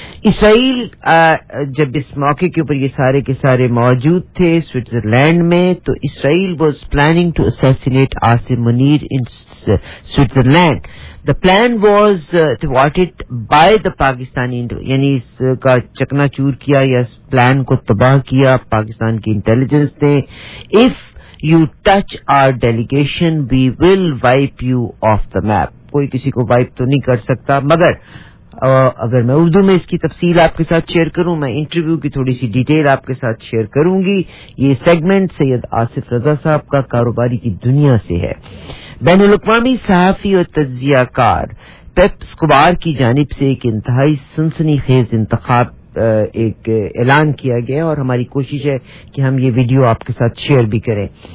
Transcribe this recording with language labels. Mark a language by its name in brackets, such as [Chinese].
[Urdu] اسرائیل جب اس موقع کے اوپر یہ سارے کے سارے موجود تھے سوئٹزرلینڈ میں, تو [English] Israel was planning to assassinate Asif Munir in Switzerland. The plan was thwarted by the Pakistani, [Urdu] یعنی اس کا چکنا چور کیا یا اس پلان کو تباہ کیا پاکستان کی انٹیلیجنس نے. [English] If you touch our delegation we will wipe you off the map. [Urdu] کوئی کسی کو وائپ تو نہیں کر سکتا, مگر اگر میں اردو میں اس کی تفصیل آپ کے ساتھ شیئر کروں, میں انٹرویو کی تھوڑی سی ڈیٹیل آپ کے ساتھ شیئر کروں گی. یہ سیگمنٹ سید آصف رضا صاحب کا کاروباری کی دنیا سے ہے. بین الاقوامی صحافی اور تجزیہ کار پیپ اسکوبار کی جانب سے ایک انتہائی سنسنی خیز انتخاب ایک اعلان کیا گیا, اور ہماری کوشش ہے کہ ہم یہ ویڈیو آپ کے ساتھ شیئر بھی کریں.